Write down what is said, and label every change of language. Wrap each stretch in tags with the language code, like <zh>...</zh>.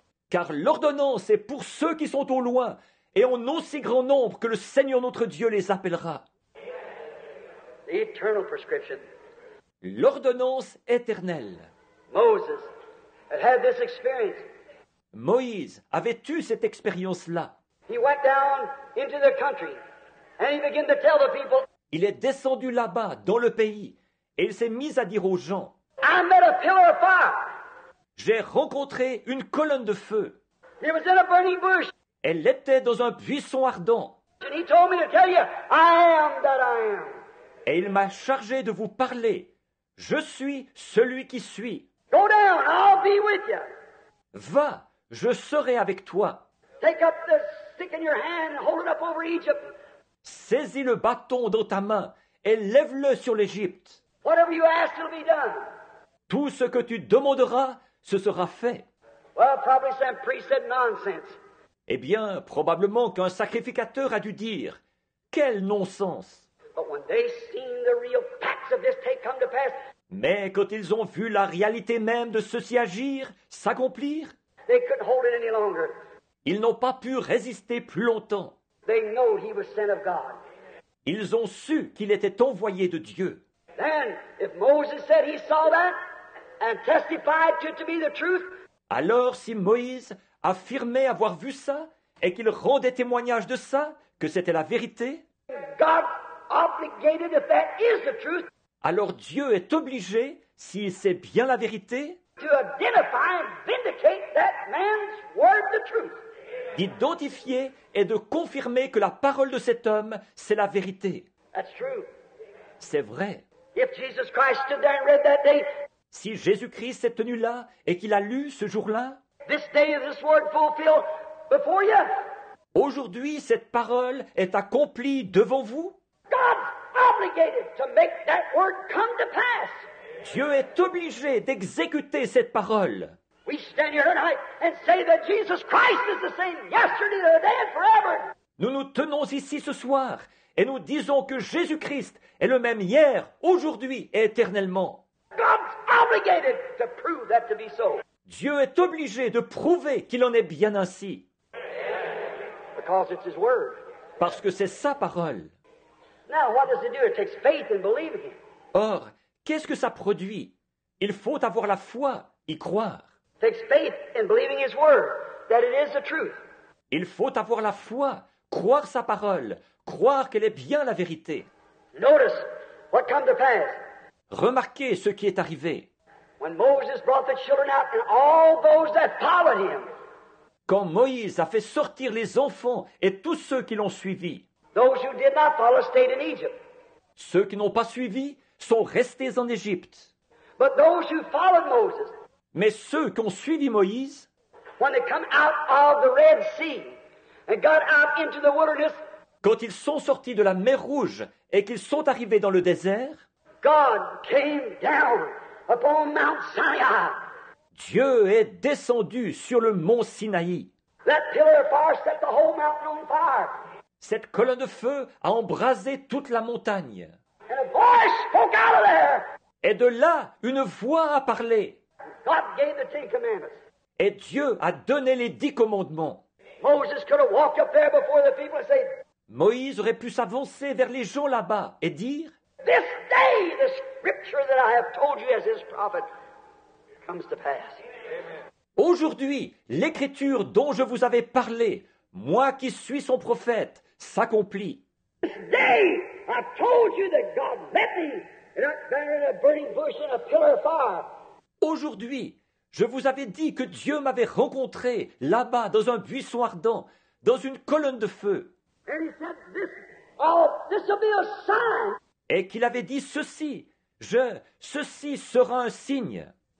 <fr>Car l'ordonnance est pour ceux qui sont au loin et en aussi grand nombre que le Seigneur notre Dieu les appellera.</fr> <en>The eternal prescription.</en> <fr>L'ordonnance éternelle.</fr> <en>Moses had this experience.</en> <fr>Moïse avait eu cette expérience-là.</fr> <en>He went down into the country and he began to tell the people.</en> <fr>Il est descendu là-bas, dans le pays, et il s'est mis à dire aux gens,</fr> <en>I met a pillar of fire.</en> <fr>J'ai rencontré une colonne de feu.</fr> <en>It was in a burning bush.</en> <fr>Elle était dans un buisson ardent.</fr> <en>And he told me to tell you, I am that I am.</en> <fr>Et il m'a chargé de vous parler. Je suis celui qui suis.</fr> <en>Go down, I'll be with you.</en> <fr>Va, je serai avec toi.</fr> <en>Take up the stick in your hand and hold it up over Egypt.</en> <fr>Saisis le bâton dans ta main et lève-le sur l'Égypte.</fr> <en>Whatever you ask, it'll be done.</en> <fr>Tout ce que tu demanderas, ce sera fait.</fr> <en>Well, probably some priest said nonsense.</en> <fr>Eh bien, probablement qu'un sacrificateur a dû dire, quel non-sens.</fr> <en>But when they've seen the real facts of this take come to pass,</en> <fr>mais quand ils ont vu la réalité même de ceci agir, s'accomplir,</fr> <en>They couldn't hold it any longer.</en> <fr>Ils n'ont pas pu résister plus longtemps.</fr> <en>They know he was sent of God.</en> <fr>Ils ont su qu'il était envoyé de Dieu.</fr> <en>Then, if Moses said he saw that and testified to it to be the truth,</en> <fr>alors si Moïse affirmait avoir vu ça et qu'il rendait témoignage de ça, que c'était la vérité,</fr> <en>God obligated if that is the truth,</en> <fr>alors Dieu est obligé, si c'est bien la vérité,</fr> <en>to identify and vindicate that man's word, the truth,</en> <fr>d'identifier et de confirmer que la parole de cet homme, c'est la vérité.</fr> <en>That's true.</en> <fr>C'est vrai.</fr> <en>If Jesus Christ stood there and read that day,</en> <fr>si Jésus-Christ s'est tenu là et qu'il a lu ce jour-là,</fr> <en>this day is this word fulfilled before you.</en> <fr>Aujourd'hui, cette parole est accomplie devant vous.</fr> <en>God's obligated to make that word come to pass.</en> <fr>Dieu est obligé d'exécuter cette parole.</fr> <en>We stand here tonight and say that Jesus Christ is the same yesterday, today, and forever.</en> <fr>Nous nous tenons ici ce soir et nous disons que Jésus-Christ est le même hier, aujourd'hui et éternellement.</fr> <en>God's obligated to prove that to be so.</en> <fr>Dieu est obligé de prouver qu'il en est bien ainsi.</fr> <en>Because it's his word.</en> <fr>Parce que c'est sa parole.</fr> <en>Now, what does it do? It takes faith and believing.</en> <fr>Or, qu'est-ce que ça produit? Il faut avoir la foi, y croire.</fr> <en>It takes faith in believing his word, that it is the truth.</en> <fr>Il faut avoir la foi, croire sa parole, croire qu'elle est bien la vérité.</fr> <en>Notice what comes to pass.</en> <fr>Remarquez ce qui est arrivé.</fr> <en>When Moses brought the children out and all those that followed him,</en> <fr>quand Moïse a fait sortir les enfants et tous ceux qui l'ont suivi,</fr> <en>those who did not follow stayed in Egypt.</en> <fr>Ceux qui n'ont pas suivi sont restés en Égypte.</fr> <en>But those who followed Moses,</en> <fr>mais ceux qui ont suivi Moïse,</fr> <en>when they come out of the Red Sea and got out into the wilderness,</en> <fr>quand ils sont sortis de la mer Rouge et qu'ils sont arrivés dans le désert,</fr> <en>God came down upon Mount Sinai.</en> <fr>Dieu est descendu sur le mont Sinaï.</fr> <en>That pillar of fire set the whole mountain on fire.</en> <fr>Cette colonne de feu a embrasé toute la montagne.</fr> <en>And a voice spoke out of there.</en> <fr>Et de là, une voix a parlé.</fr> <en>God gave the Ten Commandments.</en> <fr>Et Dieu a donné les 10 commandements.</fr> <en>Moses could have walked up there before the people and said,</en> <fr>Moïse aurait pu s'avancer vers les gens là-bas et dire,</fr> <en>this day the scripture that I have told you as his prophet comes to pass.</en> <fr>Aujourd'hui, l'écriture dont je vous avais parlé, moi qui suis son prophète, s'accomplit.</fr> <en>This day I told you that God met me in a burning bush in a pillar of fire.</en> <fr>Aujourd'hui, je vous avais dit que Dieu m'avait rencontré là-bas dans un buisson ardent, dans une colonne de feu.</fr> <en>And he said, this will be a sign.</en> <fr>Et qu'il avait dit ceci, ceci sera un signe.</fr>